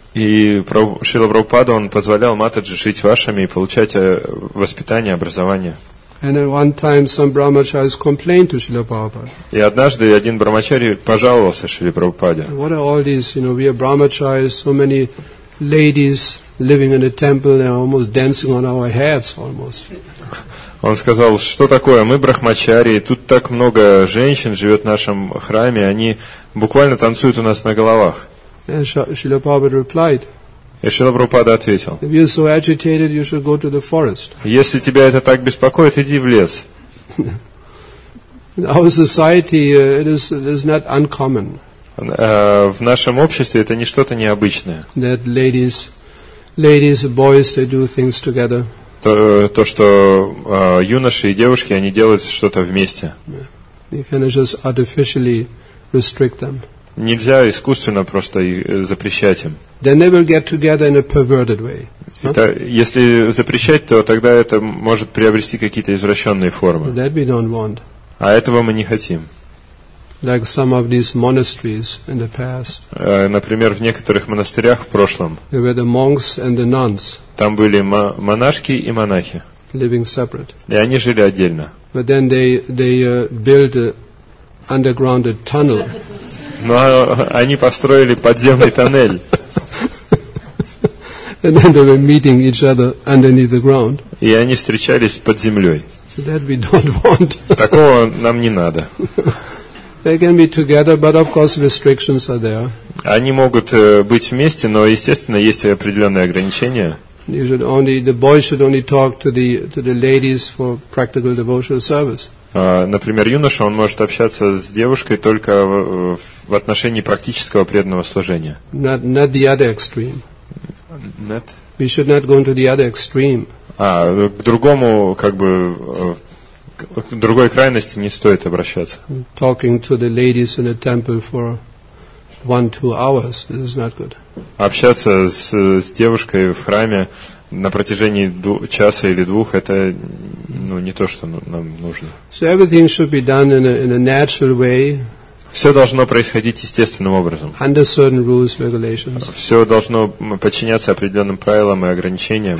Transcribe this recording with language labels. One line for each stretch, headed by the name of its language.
Russian: И Шрила Прабхупада, он позволял Матаджи жить вашами и получать воспитание, образование.
English: And one time some brahmacharis complained to Srila Prabhupada.
Russian: И однажды один брахмачари пожаловался Шриле Прабхупаде.
English: What are all these, you know, we are brahmacharis, so many ladies living in a temple, they are almost dancing on our heads almost.
Russian: Он сказал, что такое, мы брахмачари, тут так много женщин живет в нашем храме, они буквально танцуют у нас на головах.
English: And Srila Prabhupada replied.
Russian: И Шрила Прабхупада ответил.
English: If you're so agitated, you should go to the forest.
Russian: Если тебя это так беспокоит, иди в лес.
English: In our society, it is not uncommon.
Russian: В нашем обществе это не что-то необычное.
English: That ladies, boys, they do things together.
Russian: То, что юноши и девушки, они делают что-то вместе.
English: You cannot just artificially restrict them.
Russian: Нельзя искусственно просто запрещать им.
English: Then they will get together in a perverted way.
Russian: Если запрещать, то тогда это может приобрести какие-то извращенные формы.
English: That we don't want.
Russian: А этого мы не хотим.
English: Like some of these monasteries in the past.
Russian: Например, в некоторых монастырях в прошлом.
English: There were the monks and the nuns.
Russian: Там были монашки и монахи.
English: Living separate.
Russian: И они жили отдельно.
English: But then they built an underground tunnel.
Russian: Но они построили подземный тоннель.
English: And then they were meeting each other underneath the ground.
Russian: И они встречались под землей.
English: So that we don't want.
Russian: Такого нам не надо.
English: They can be together, but of course restrictions are there.
Russian: Они могут быть вместе, но естественно есть определенные ограничения.
English: You should only the boys should only talk to the ladies for practical devotional service.
Russian: Например, юноша он может общаться с девушкой только в отношении практического преданного служения.
English: Not the other extreme. Not. We should not go into the other extreme.
Russian: К другому как бы. К другой крайности не стоит обращаться.
English: Talking to the ladies in the temple for 1-2 hours is not good.
Russian: Общаться с девушкой в храме на протяжении часа или двух это ну, не то, что нам нужно.
English: So everything should be done in a natural way.
Russian: Все должно происходить естественным образом.
English: Under certain rules, regulations.
Russian: Все должно подчиняться определенным правилам и ограничениям.